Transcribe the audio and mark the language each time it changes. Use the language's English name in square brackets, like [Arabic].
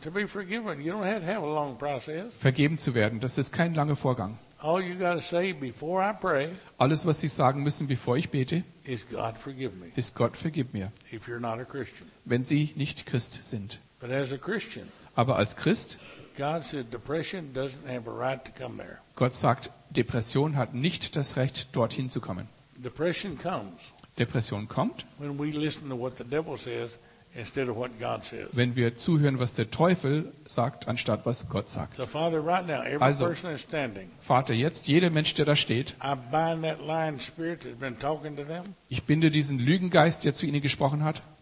[English] To be forgiven, you don't have a long process. [German] Vergeben zu werden, das ist kein langer Vorgang. [English] All you gotta say before I pray, [German] alles, was Sie sagen müssen, bevor ich bete, [English] is God forgive me. [German] Ist Gott, vergib mir. [English] If you're not a Christian. [German] Wenn Sie nicht Christ sind. [English] But as a Christian, [German] aber als Christ, [English] God said, depression doesn't have a right to come there. [German] Gott sagt, Depression hat nicht das Recht, dorthin zu kommen. Depression kommt. Depression kommt, [English] when we listen to what the devil says instead of what God says. [German] Wenn wir zuhören, was der Teufel sagt, anstatt was Gott sagt. [English] So Father, right now, every [German] also, [English] person is standing, [German] Vater, jetzt jeder Mensch, der da steht, [English] I bind that lying spirit that's been talking to them. [German] Ich binde diesen Lügengeist, der zu ihnen gesprochen hat.